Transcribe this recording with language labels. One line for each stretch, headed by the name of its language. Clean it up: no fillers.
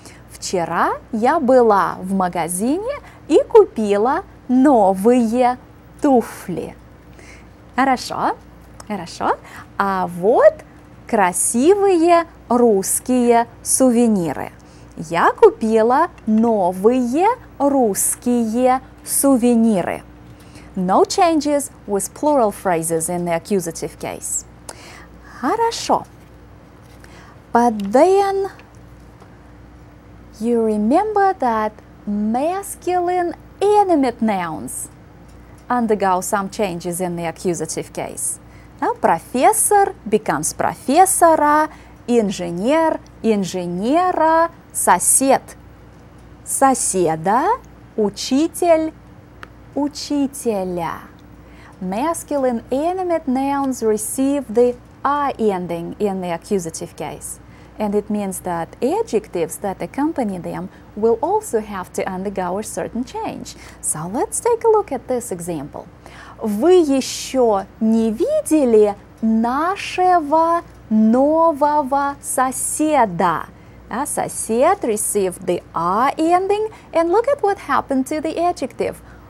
Russian: Вчера я была в магазине и купила новые туфли. Хорошо, хорошо. А вот красивые русские сувениры. Я купила новые русские сувениры.
English: No changes with plural phrases in the accusative case.
Russian: Хорошо.
English: But then you remember that masculine inanimate nouns undergo some changes in the accusative case. Now, professor becomes
Russian: профессора, инженер, инженера, сосед, соседа, учитель, учителя.
English: Masculine inanimate nouns receive the I ending in the accusative case, and it means that adjectives that accompany them will also have to undergo a certain change. So let's take a look at this example.
Russian: Вы еще не видели нашего нового соседа?
English: A сосед received the R ending, and look at what happened to the adjective.